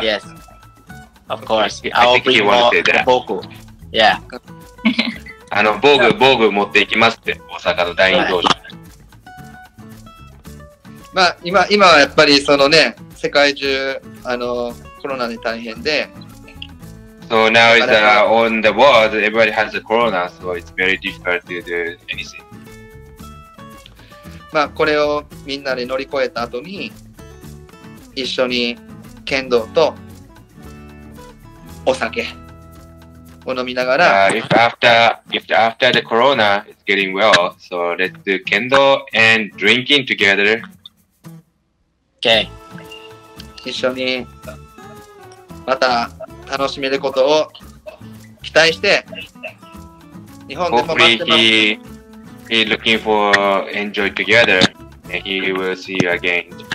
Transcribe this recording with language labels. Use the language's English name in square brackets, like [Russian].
[English] Yes. Of course. I think he wants to say that. Bogu. Yeah. [Japanese] あの、防具、防具持っていきますって、大阪の第二道場。まあ、今はやっぱりそのね、世界中、あの、コロナで大変で。 [English] So now it's on the world, everybody has a corona, so it's very difficult to do anything. [Japanese] まあ、これをみんなで乗り越えた後に、一緒に剣道とお酒を飲みながら、 [English] if after the corona is getting well, so let's do kendo and drinking together. Okay. [Japanese] 一緒にまた楽しめることを期待して、日本でも待ってます。 [English] Hopefully he's looking for enjoy together and he will see you again.